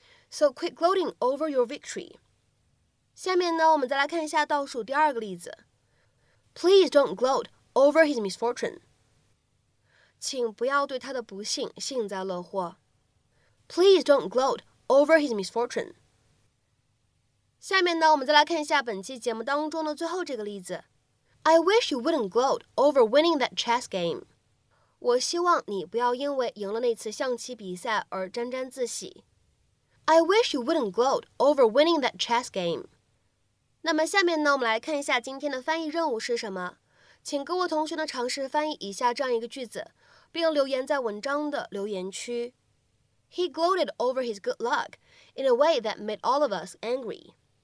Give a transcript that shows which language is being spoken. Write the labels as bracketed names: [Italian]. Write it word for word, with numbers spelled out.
[English] So quit gloating over your victory. [Chinese] 下面呢，我们再来看一下倒数第二个例子。 [English] Please don't gloat over his misfortune. [Chinese] 请不要对他的不幸幸灾乐祸。 [English] Please don't gloat over his misfortune. [Chinese] 下面呢，我们再来看一下本期节目当中的最后这个例子。 [English] I wish you wouldn't gloat over winning that chess game. [Chinese] 我希望你不要因为赢了那次象棋比赛而沾沾自喜。 [English] I wish you wouldn't gloat over winning that chess game. [Chinese] 那么下面呢，我们来看一下今天的翻译任务是什么。请各位同学呢尝试翻译以下这样一个句子，并留言在文章的留言区。 [English] He gloated over his good luck in a way that made all of us angry.